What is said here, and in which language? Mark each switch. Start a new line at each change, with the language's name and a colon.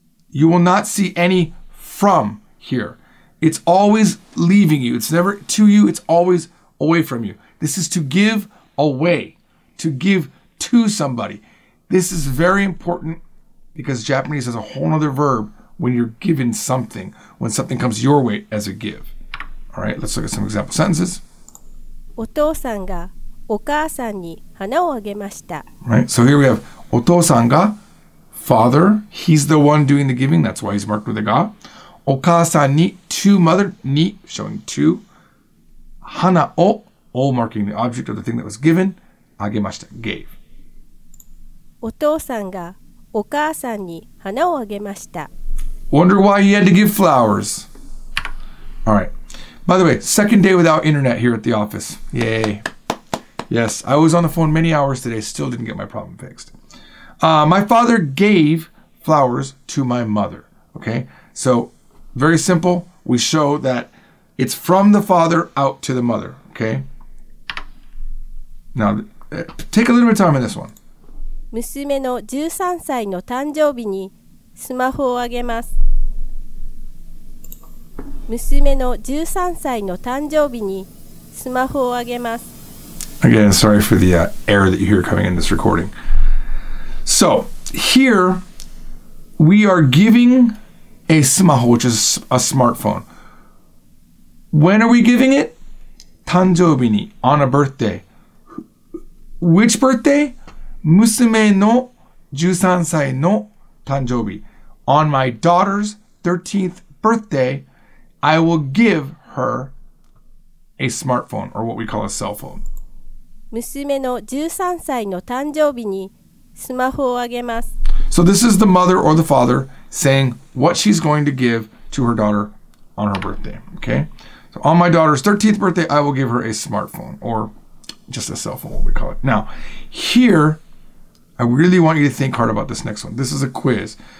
English: You will not see any from here. It's always leaving you. It's never to you. It's always away from you. This is to give away, to give to somebody. This is very important because Japanese has a whole other verb when you're given something, when something comes your way as a give. All right, let's look at some example sentences.
Japanese: お父さんがお母さんに花をあげました。
English: Right, so here we have お父さんが father, he's the one doing the giving, that's why he's marked with a ga. お母さんに to mother, に showing to, 花を all marking the object of the thing that was given, あげました gave.
Japanese: お父さんがお母さんに花をあげました。
English: Wonder why he had to give flowers. All right. By the way, second day without internet here at the office. Yay. Yes, I was on the phone many hours today, still didn't get my problem fixed. My father gave flowers to my mother. Okay, so very simple. We show that it's from the father out to the mother. Okay. Now, take a little bit of time on this one.
Japanese: 娘の13歳の誕生日にスマホをあげます。娘の13歳の誕生日にスマホをあげます。
English: Again, sorry for the error that you hear coming in this recording. So, here, we are giving a smaho, which is a smartphone. When are we giving it? 誕生日に, on a birthday. Which birthday?
Japanese: 娘の13歳の誕生日.
English: On my daughter's 13th birthday, I will give her a smartphone, or what we call a cell phone.
Japanese: 娘の13歳の誕生日にスマホをあげます。
English: So this is the mother or the father saying what she's going to give to her daughter on her birthday, okay? So on my daughter's 13th birthday, I will give her a smartphone or just a cell phone, what we call it. Now, here, I really want you to think hard about this next one. This is a quiz.